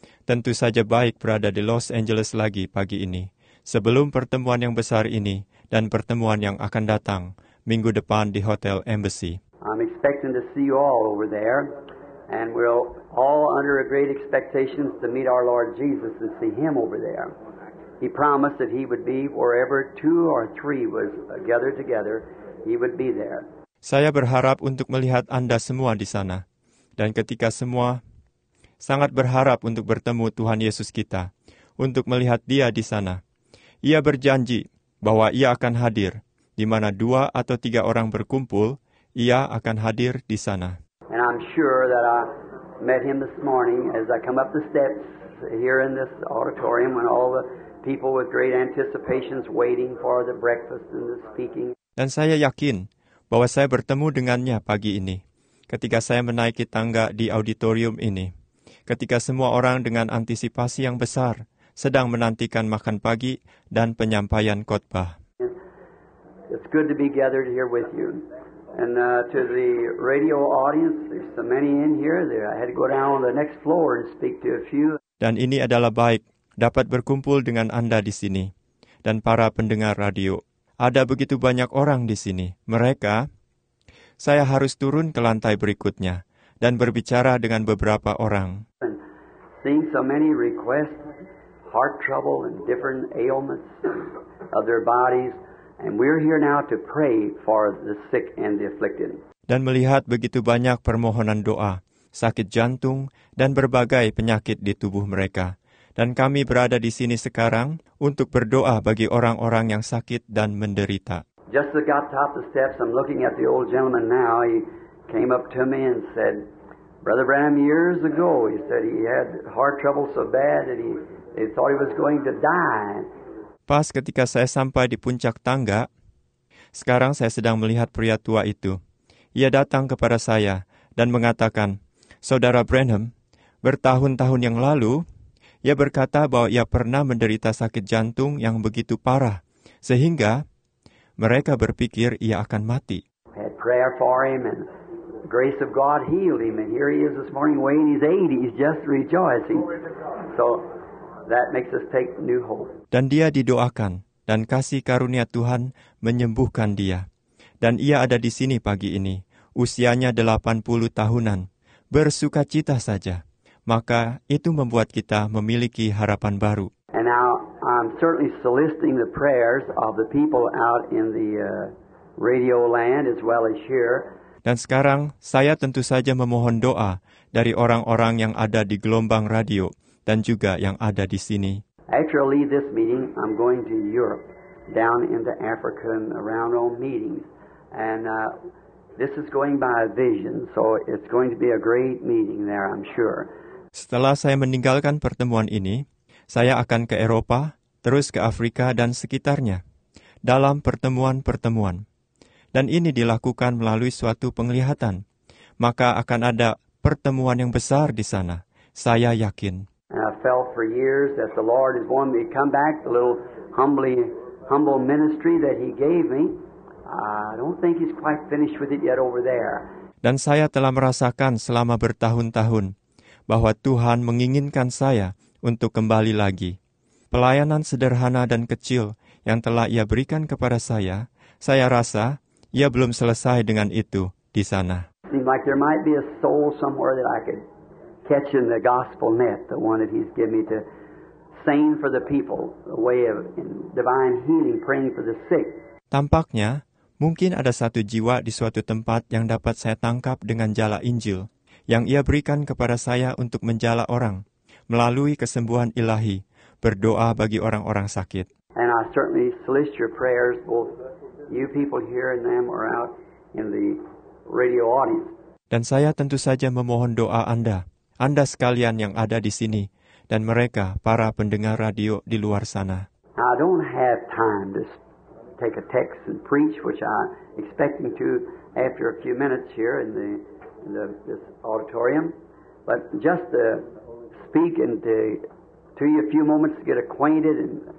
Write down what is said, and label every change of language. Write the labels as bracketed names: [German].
[Indonesian] Tentu saja baik berada di Los Angeles lagi pagi ini, sebelum pertemuan yang besar ini dan pertemuan yang akan datang minggu depan di Hotel Embassy. [English] I'm expecting to see you all over there, and we're all under a great expectation to meet our Lord Jesus and see Him over there. He promised that He would be wherever two or three was gathered together, He would be there. [Indonesian] Saya berharap untuk melihat Anda semua di sana, dan ketika semua sangat berharap untuk bertemu Tuhan Yesus kita, untuk melihat Dia di sana. Ia berjanji bahwa Ia akan hadir, di mana dua atau tiga orang berkumpul, Ia akan hadir di sana. [English] And I'm sure that I met Him this morning as I come up the steps here in this auditorium when all the people with great anticipations waiting for the breakfast and the speaking. [Indonesian] Dan saya yakin bahwa saya bertemu dengannya pagi ini, ketika saya menaiki tangga di auditorium ini, ketika semua orang dengan antisipasi yang besar sedang menantikan makan pagi dan penyampaian khotbah. [English] It's good to be gathered here with you. And to the radio audience, there's so many in here there. I had to go down on the next floor and speak to a few. [Indonesian] Dan ini adalah baik dapat berkumpul dengan Anda di sini. Dan para pendengar radio, ada begitu banyak orang di sini. Mereka, saya harus turun ke lantai berikutnya dan berbicara dengan beberapa orang. [English] And seeing so many requests, heart trouble and different ailments of their bodies. And we're here now to pray for the sick and the afflicted. [Indonesian] Dan melihat begitu banyak permohonan doa, sakit jantung, dan berbagai penyakit di tubuh mereka. Dan kami berada di sini sekarang untuk berdoa bagi orang-orang yang sakit dan menderita. [English] Just as I got top the steps, I'm looking at the old gentleman now. He came up to me and said, Brother Branham, years ago, he said he had heart trouble so bad that they thought he was going to die. [Indonesian] Pas ketika saya sampai di puncak tangga, sekarang saya sedang melihat pria tua itu. Ia datang kepada saya dan mengatakan, Saudara Branham, bertahun-tahun yang lalu, ia berkata bahwa ia pernah menderita sakit jantung yang begitu parah, sehingga mereka berpikir ia akan mati. [English] I had prayer for him and the grace of God healed him. And here he is this morning weighing his 80s, just rejoicing. So, that makes us take new hope. [Indonesian] Dan dia didoakan, dan kasih karunia Tuhan menyembuhkan dia. Dan ia ada di sini pagi ini, usianya 80 tahunan, bersuka cita saja. Maka itu membuat kita memiliki harapan baru. [English] And now I'm certainly soliciting the prayers of the people out in the radio land as well as here. [Indonesian] Dan sekarang saya tentu saja memohon doa dari orang-orang yang ada di gelombang radio dan juga yang ada di sini. [English] Actually, this meeting, I'm going to Europe, down into Africa and around all meetings. And this is going by a vision, so it's going to be a great meeting there, I'm sure. [Indonesian] Setelah saya meninggalkan pertemuan ini, saya akan ke Eropa, terus ke Afrika dan sekitarnya, dalam pertemuan-pertemuan. Dan ini dilakukan melalui suatu penglihatan. Maka akan ada pertemuan yang besar di sana, saya yakin. [English] And I felt for years that the Lord is wanting me to come back, the little humble ministry that He gave me. I don't think He's quite finished with it yet over there. [Indonesian] Dan saya telah merasakan selama bertahun-tahun bahwa Tuhan menginginkan saya untuk kembali lagi. Pelayanan sederhana dan kecil yang telah Ia berikan kepada saya rasa Ia belum selesai dengan itu di sana. [English] seemed like there might be a soul somewhere that I could catch in the gospel net, the one that he's given me to sing for the people, a way of divine healing, praying for the sick. [Indonesian] Tampaknya, mungkin ada satu jiwa di suatu tempat yang dapat saya tangkap dengan jala Injil, yang ia berikan kepada saya untuk menjala orang, melalui kesembuhan ilahi, berdoa bagi orang-orang sakit. [English] And I certainly solicit your prayers, both you people here and them are out in the radio audience. [Indonesian] Dan saya tentu saja memohon doa Anda, Anda sekalian yang ada di sini, dan mereka, para pendengar radio di luar sana. [English] I don't have time to take a text and preach, which I'm expecting to after a few minutes here in this auditorium, but just to speak and to you a few moments to get acquainted and...